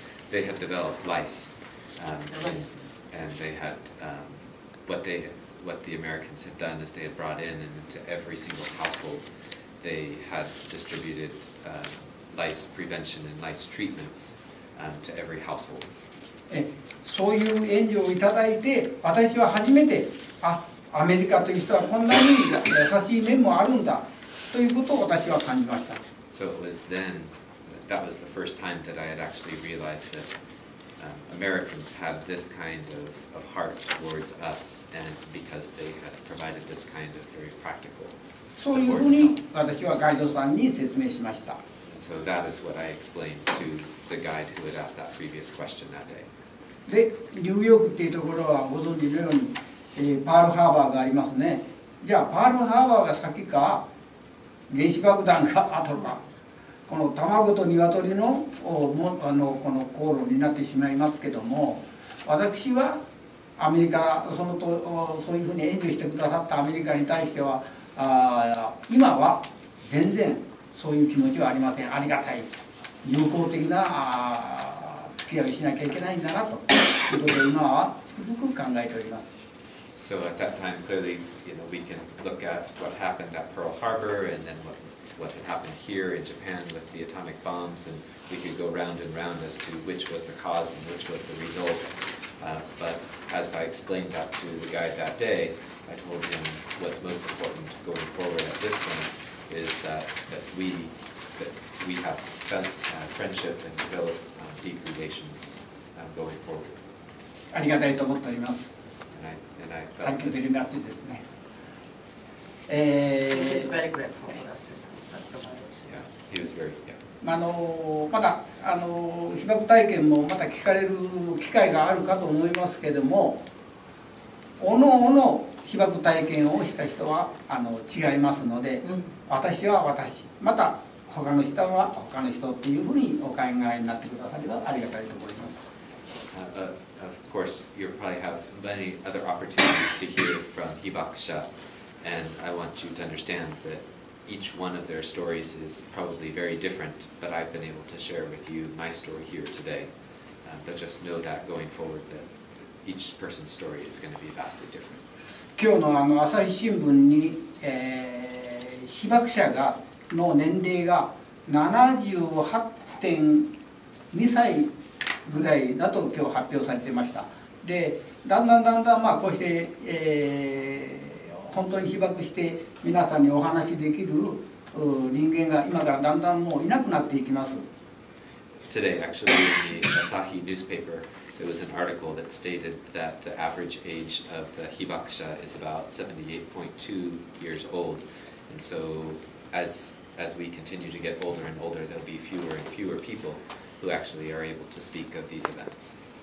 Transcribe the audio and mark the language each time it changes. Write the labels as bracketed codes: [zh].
[en] They had developed lice, and they had what the Americans had done is they had brought in and into every single household, they had distributed lice prevention and lice treatments to every household. [ja] そういう援助をいただいて、私は初めて、あ、アメリカという人はこんなに優しい面もあるんだということを私は感じました。 [en] So it was then. That was the first time that I had actually realized that Americans had this kind of heart towards us, and because they had provided this kind of very practical support. [ja] そういうふうに私はガイドさんに説明しました。 [en] So that is what I explained to the guide who had asked that previous question that day. [ja] で、ニューヨークっていうところはご存知のように、パールハーバーがありますね。じゃあパールハーバーが先か、原子爆弾が後か。この卵と鶏の、あの、この口論になってしまいますけども、私はアメリカ、そのと、そういうふうに援助してくださったアメリカに対しては、今は全然そういう気持ちはありません。ありがたい、友好的な付き合いしなきゃいけないんだなということで今はつくづく考えております。 [en] So at that time, clearly, you know, we can look at what happened at Pearl Harbor and then what had happened here in Japan with the atomic bombs, and we could go round and round as to which was the cause and which was the result. But as I explained that to the guide that day, I told him what's most important going forward at this point is that we, that we have spent friendship and developed deep relations going forward. [ja] ありがたいと思っております。 [en] Thank you very much [ja] ですね。 [en] He is very grateful for the assistance that provided. Yeah, he was very, yeah. [ja] あのまたあの被爆体験もまた聞かれる機会があるかと思いますけれども、おのおの被爆体験をした人はあの違いますので、うん、私は私、また他の人は他の人というふうにお考えになってくださればありがたいと思います。 [en] Of course, you probably have many other opportunities to hear from Hibakusha, and I want you to understand that. Each one of their stories is probably very different, but I've been able to share with you my story here today. But just know that going forward, that each person's story is going to be vastly different. [ja] 今日のあの朝日新聞に、被爆者がの年齢が 78.2 歳ぐらいだと今日発表されていました。で、だんだんだんだんまあこうして、本当に被爆して皆さんにお話しできる人間が今からだんだんもういなくなっていきます。 [en] Today, actually, in the Asahi newspaper, there was an article that stated that the average age of the Hibakusha is about 78.2 years old. And so, as we continue to get older and older, there'll be fewer and fewer people who actually are able to speak of these events.